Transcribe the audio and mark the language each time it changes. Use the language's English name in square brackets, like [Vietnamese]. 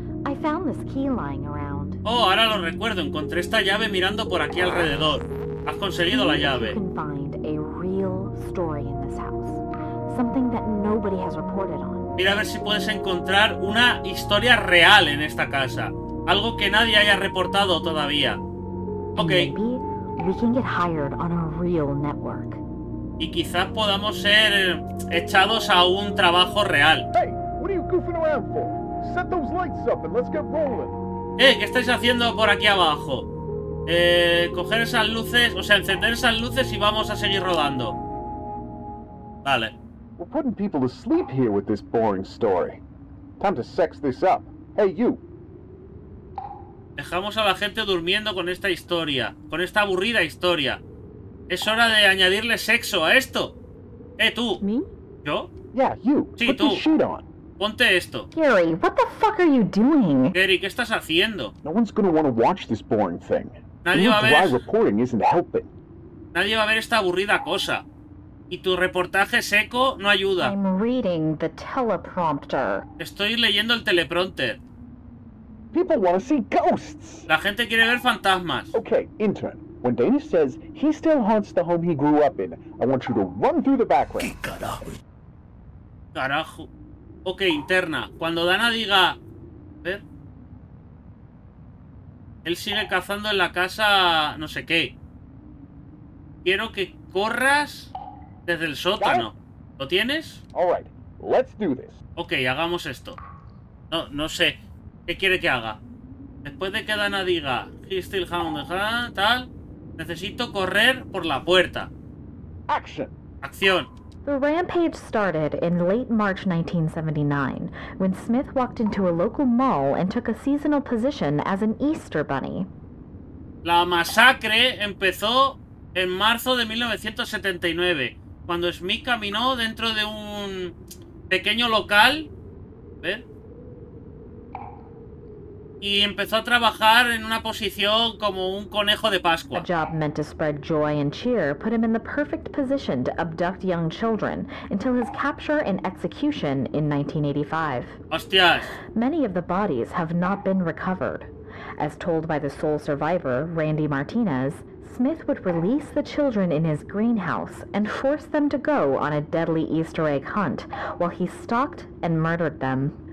[English] I found this key lying around. [Spanish] Oh, ahora lo recuerdo. Encontré esta llave mirando por aquí alrededor. Has conseguido la llave. [English] You can find a real story in this house. Something that nobody has reported on. [Spanish] Mira a ver si puedes encontrar una historia real en esta casa. Algo que nadie haya reportado todavía. [English] Ok. We can get hired on a real network. [Spanish] Y quizás podamos ser echados a un trabajo real. [English] Hey, what are you goofing around for? Set those lights up and let's get rolling. [Spanish] ¿Qué estáis haciendo por aquí abajo? Coger esas luces, o sea, encender esas luces y vamos a seguir rodando. Vale. [English] We're putting people to sleep here with this boring story. Time to sex this up. Hey, you. [Spanish] Dejamos a la gente durmiendo con esta historia, con esta aburrida historia. Es hora de añadirle sexo a esto. Tú. [English] ¿Me? [Spanish] ¿Yo? [English] Yeah, you. [Spanish] Sí, [English] put [Spanish] tú. [English] This sheet on. [Spanish] Ponte esto. [English] Gary, what the fuck are you doing? [Spanish] Gary, ¿qué estás haciendo? [English] No one's gonna wanna watch this boring thing. [Spanish] Nadie va a ver. [English] Dry reporting isn't helping. [Spanish] Nadie va a ver esta aburrida cosa. Y tu reportaje seco no ayuda. [English] I'm reading the teleprompter. [Spanish] Estoy leyendo el teleprompter. [English] People want to see ghosts. [Spanish] La gente quiere ver fantasmas. [English] Okay, intern. When Dana says he still haunts the home he grew up in, I want you to run through the background. [Spanish] ¿Qué carajo? Carajo. Okay, interna. Cuando Dana diga, ¿ver? Él sigue cazando en la casa, no sé qué. Quiero que corras desde el sótano. ¿Lo tienes? [English] All right. Let's do this. [Spanish] Okay, hagamos esto. No, no sé. ¿Qué quiere que haga? Después de que Dana diga [English] he's still hounding, [Spanish] tal, necesito correr por la puerta. [English] Action. [Spanish] Acción. [English] The rampage started in late March 1979 when Smith walked into a local mall and took a seasonal position as an Easter bunny. [Spanish] La masacre empezó en marzo de 1979 cuando Smith caminó dentro de un pequeño local. ¿Ves? Y empezó a trabajar en una posición como un conejo de Pascua. [English] A job meant to spread joy and cheer put him in the perfect position to abduct young children until his capture and execution in 1985. [Spanish] Hostias. [English] Many of the bodies have not been recovered. As told by the sole survivor, Randy Martinez, Smith would release the children in his greenhouse and force them to go on a deadly Easter egg hunt while he stalked and murdered them.